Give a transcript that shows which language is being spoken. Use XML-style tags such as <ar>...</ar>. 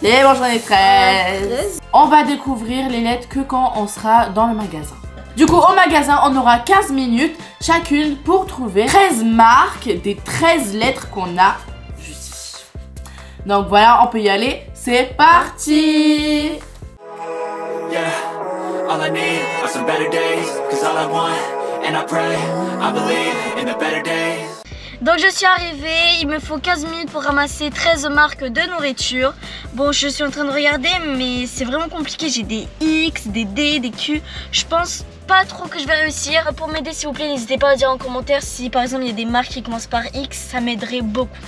<fr>Et bon, j'en ai 13. On va découvrir les lettres que quand on sera dans le magasin. Du coup, au magasin, on aura 15 minutes chacune pour trouver 13 marques des 13 lettres qu'on a juste ici. Donc voilà, on peut y aller. C'est parti!</fr> <en>Yeah, all I need are some better days. Cause all I want, and I pray, I believe in the better days.</en> <fr>Donc je suis arrivée, il me faut 15 minutes pour ramasser 13 marques de nourriture. Bon, je suis en train de regarder, mais c'est vraiment compliqué. J'ai des X, des D, des Q. Je pense pas trop que je vais réussir. Pour m'aider, s'il vous plaît, n'hésitez pas à dire en commentaire si par exemple il y a des marques qui commencent par X, ça m'aiderait beaucoup.</fr>